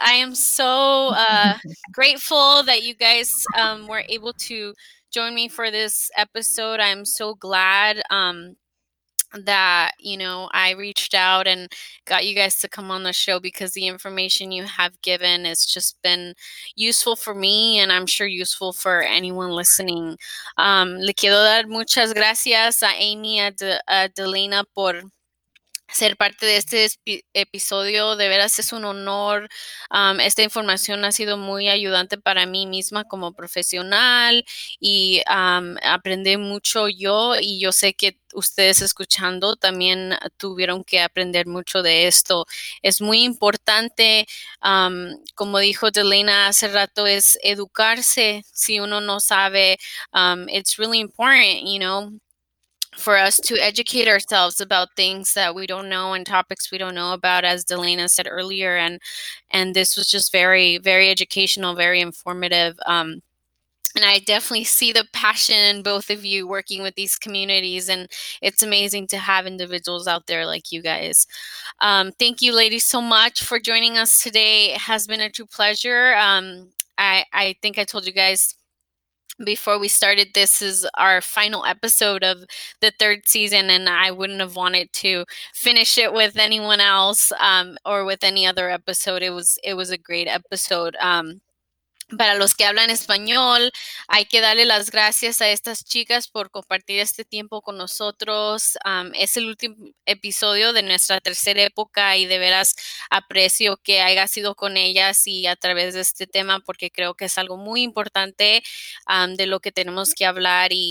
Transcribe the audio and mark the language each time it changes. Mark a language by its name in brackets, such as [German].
[English] I am so grateful that you guys were able to join me for this episode. I'm so glad that, you know, I reached out and got you guys to come on the show, because the information you have given has just been useful for me, and I'm sure useful for anyone listening. [Spanish] Le quiero dar muchas gracias a Aimee, a Delena, por ser parte de este episodio. De veras es un honor. Esta información ha sido muy ayudante para mí misma como profesional, y aprendí mucho yo, y yo sé que ustedes escuchando también tuvieron que aprender mucho de esto. Es muy importante, como dijo Delena hace rato, es educarse. Si uno no sabe, [English] it's really important, you know, for us to educate ourselves about things that we don't know and topics we don't know about, as Delena said earlier. And this was just very, very educational, very informative. And I definitely see the passion in both of you working with these communities. And it's amazing to have individuals out there like you guys. Thank you, ladies, so much for joining us today. It has been a true pleasure. I think I told you guys before we started, this is our final episode of the third season, and I wouldn't have wanted to finish it with anyone else, or with any other episode. It was a great episode. [Spanish] Para los que hablan español, hay que darle las gracias a estas chicas por compartir este tiempo con nosotros. Es el último episodio de nuestra tercera época, y de veras aprecio que haya sido con ellas y a través de este tema, porque creo que es algo muy importante de lo que tenemos que hablar.